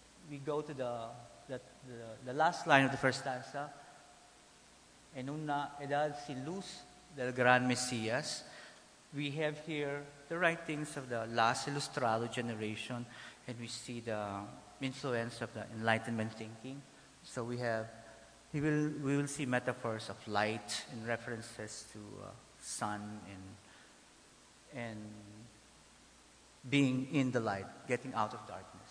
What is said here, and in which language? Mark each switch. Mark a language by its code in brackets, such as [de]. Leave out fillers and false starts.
[en] We go to the last line of the first stanza. [es] En una edad sin luz del gran Mesías. [en] We have here the writings of the last Ilustrado generation, and we see the influence of the Enlightenment thinking. So we will see metaphors of light and references to sun and being in the light, getting out of darkness.